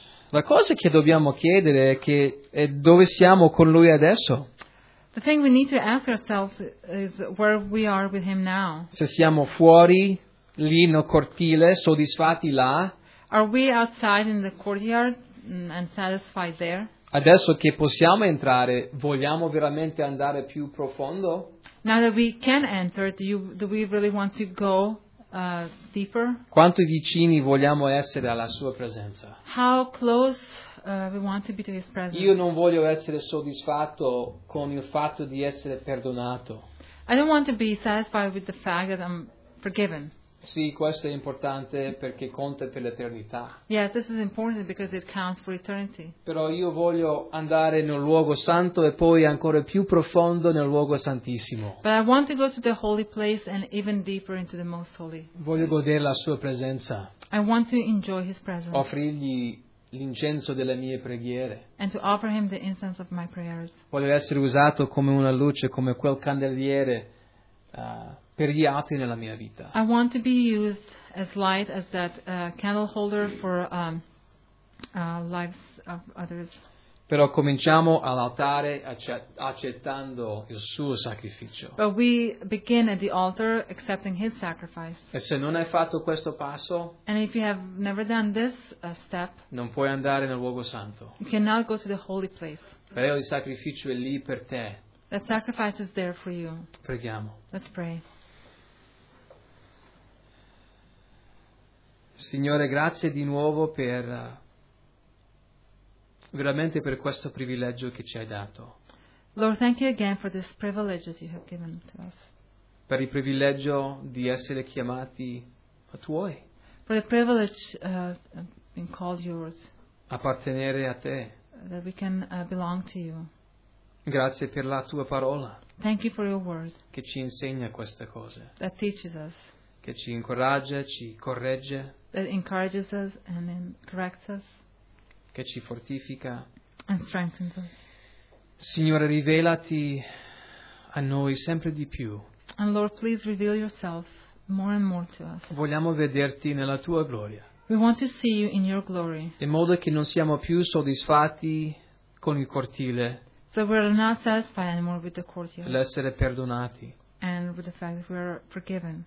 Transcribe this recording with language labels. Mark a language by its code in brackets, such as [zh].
[it] La cosa che dobbiamo chiedere è che è dove siamo con lui adesso? [en] The thing we need to ask ourselves is where we are with him now. [it] Se siamo fuori, lì nel cortile, soddisfatti là? [en] Are we outside in the courtyard and satisfied there? [it] Adesso che possiamo entrare, vogliamo veramente andare più profondo? [en] Now that we can enter, do we really want to go deeper? [it] Quanto vicini vogliamo essere alla sua presenza? [en] How close we want to be to his presence? [it] Io non voglio essere soddisfatto con il fatto di essere perdonato. [en] I don't want to be satisfied with the fact that I'm forgiven. [it] Sì, questo è importante perché conta per l'eternità. [en] Yes, this is important because it counts for eternity. [it] Però io voglio andare nel luogo santo e poi ancora più profondo nel luogo santissimo. [en] But I want to go to the holy place and even deeper into the most holy. [it] Voglio godere la sua presenza. [en] I want to enjoy his presence. [it] Offrirgli l'incenso delle mie preghiere. [en] And to offer him the incense of my prayers. [it] Voglio essere usato come una luce, come quel candeliere per gli altri nella mia vita. [en] I want to be used as light as that candle holder for lives of others. [it] Però cominciamo all'altare accettando il suo sacrificio. [en] But we begin at the altar accepting his sacrifice. [it] E se non hai fatto questo passo, [en] and if you have never done this step, [it] non puoi andare nel luogo santo. [en] You cannot go to the holy place. [it] Però il sacrificio è lì per te. [en] That sacrifice is there for you. [it] Preghiamo. [en] Let's pray. [it] Signore, grazie di nuovo per veramente per questo privilegio che ci hai dato. [en] Lord, thank you again for this privilege that you have given to us. [it] Per il privilegio di essere chiamati a tuoi. [en] For the privilege being called yours. [it] Appartenere a te. [en] That we can belong to you. [it] Grazie per la tua parola. [en] Thank you for your word. [it] Che ci insegna queste cose. [en] That teaches us. [it] Che ci incoraggia, ci corregge. [en] That encourages us and corrects us. [it] Che ci fortifica. [en] And strengthens us. [it] Signore, rivelati a noi sempre di più. [en] And Lord, please reveal yourself more and more to us. [it] Vogliamo vederti nella tua gloria. [en] We want to see you in your glory. [it] In modo che non siamo più soddisfatti con il cortile. [en] So we are not satisfied anymore with the courtyard. [it] L'essere perdonati. [en] And with the fact that we are forgiven.